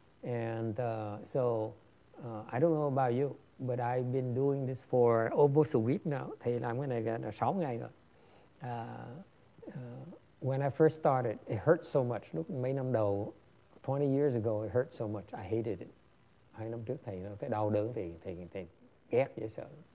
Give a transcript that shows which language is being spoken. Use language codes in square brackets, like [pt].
[en] And I don't know about you, but I've been doing this for almost a week now. [vi] Thầy làm cái này là 6 ngày rồi. [en] When I first started, it hurt so much. [vi] Lúc mấy năm đầu, [en] 20 years ago, it hurt so much. I hated it. [vi] 2 năm trước thầy nó cái đau đớn thì ghét dễ sợ.